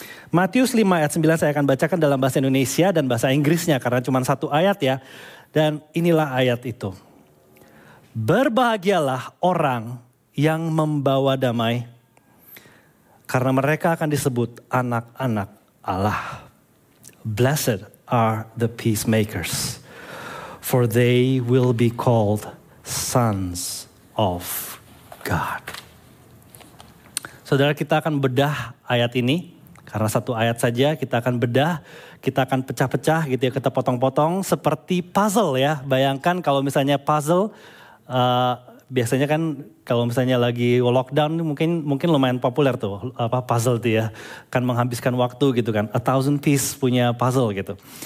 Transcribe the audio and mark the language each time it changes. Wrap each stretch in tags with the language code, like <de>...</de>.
<id>Matius 5 ayat 9 saya akan bacakan dalam bahasa Indonesia dan bahasa Inggrisnya karena cuma satu ayat ya, dan inilah ayat itu. Berbahagialah orang yang membawa damai, karena mereka akan disebut anak-anak Allah.</id> <en>Blessed are the peacemakers, for they will be called sons of God.</en> <id>Saudara, kita akan bedah ayat ini, karena satu ayat saja kita akan bedah. Kita akan pecah-pecah gitu ya, kita potong-potong seperti puzzle ya. Bayangkan kalau misalnya puzzle, biasanya kan kalau misalnya lagi lockdown mungkin lumayan populer tuh apa puzzle tuh ya, kan menghabiskan waktu gitu kan, 1000 piece punya puzzle gitu.</id>